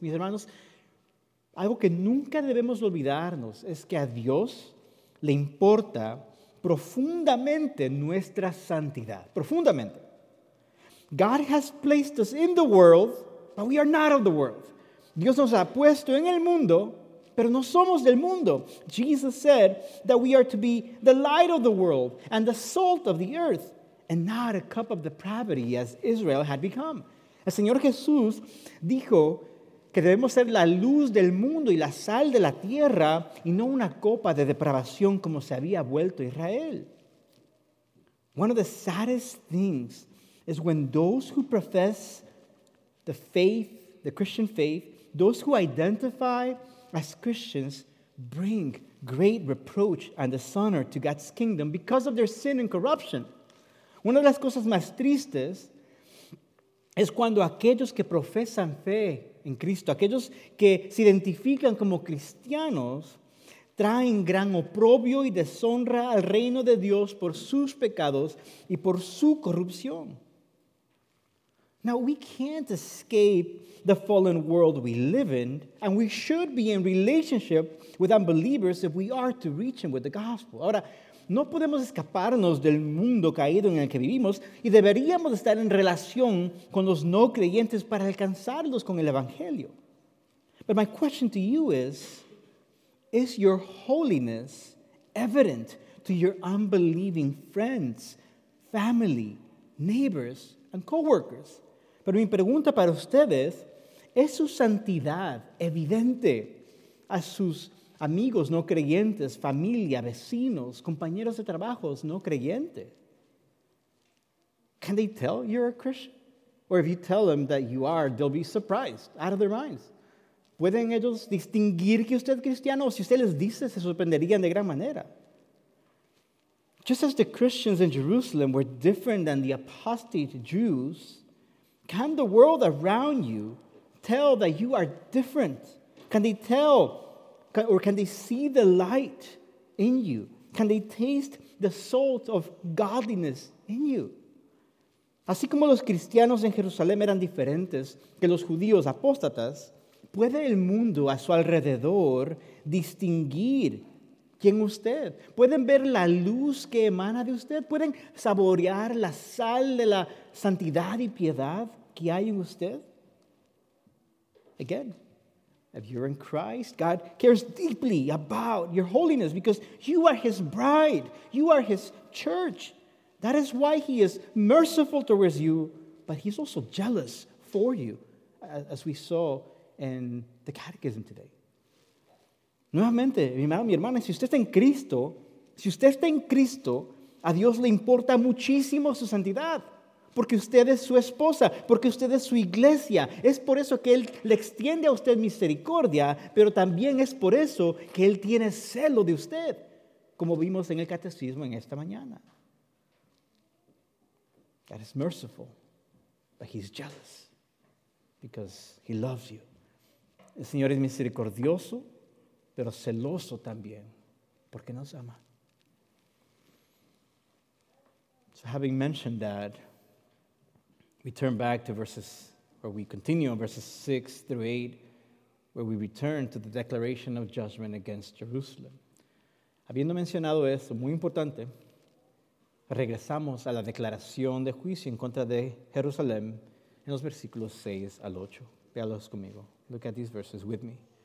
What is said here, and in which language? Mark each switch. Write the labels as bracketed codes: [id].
[es] Mis hermanos, algo que nunca debemos olvidarnos es que a Dios le importa profundamente nuestra santidad. Profundamente. [en] God has placed us in the world, but we are not of the world. [es] Dios nos ha puesto en el mundo, pero no somos del mundo. [en] Jesus said that we are to be the light of the world and the salt of the earth and not a cup of depravity as Israel had become. [es] El Señor Jesús dijo que debemos ser la luz del mundo y la sal de la tierra y no una copa de depravación como se había vuelto Israel. [en] One of the saddest things is when those who profess the faith, the Christian faith, those who identify as Christians bring great reproach and dishonor to God's kingdom because of their sin and corruption. [es] Una de las cosas más tristes es cuando aquellos que profesan fe en Cristo, aquellos que se identifican como cristianos, traen gran oprobio y deshonra al reino de Dios por sus pecados y por su corrupción. [en] Now, we can't escape the fallen world we live in, and we should be in relationship with unbelievers if we are to reach him with the gospel. [es] Ahora, no podemos escaparnos del mundo caído en el que vivimos, y deberíamos estar en relación con los no creyentes para alcanzarlos con el evangelio. [en] But my question to you is your holiness evident to your unbelieving friends, family, neighbors, and coworkers? [es] Pero mi pregunta para ustedes, ¿es su santidad evidente a sus amigos no creyentes, familia, vecinos, compañeros de trabajo no creyentes? [en] Can they tell you're a Christian? Or if you tell them that you are, they'll be surprised, out of their minds. [es] ¿Pueden ellos distinguir que usted es cristiano? O si usted les dice, se sorprenderían de gran manera. [en] Just as the Christians in Jerusalem were different than the apostate Jews, can the world around you tell that you are different? Can they tell, or can they see the light in you? Can they taste the salt of godliness in you? [es] Así como los cristianos en Jerusalén eran diferentes que los judíos apóstatas, ¿puede el mundo a su alrededor distinguir quién usted? ¿Pueden ver la luz que emana de usted? ¿Pueden saborear la sal de la santidad y piedad que hay en usted? [en] Again, if you're in Christ, God cares deeply about your holiness because you are his bride. You are his church. That is why he is merciful towards you, but he's also jealous for you, as we saw in the catechism today. [es] Nuevamente, mi hermano, mi hermana, si usted está en Cristo, si usted está en Cristo, a Dios le importa muchísimo su santidad, porque usted es su esposa, porque usted es su iglesia. Es por eso que Él le extiende a usted misericordia, pero también es por eso que Él tiene celo de usted, como vimos en el catecismo en esta mañana. [en] God is merciful, but he's jealous, because he loves you. [es] El Señor es misericordioso, pero celoso también, porque nos ama. [en] So having mentioned that, we turn back to verses, or we continue on verses 6 through 8, where we return to the declaration of judgment against Jerusalem. [es] Habiendo mencionado eso, muy importante, regresamos a la declaración de juicio en contra de Jerusalén en los versículos 6 al 8. Véalos conmigo. [en] Look at these verses with me.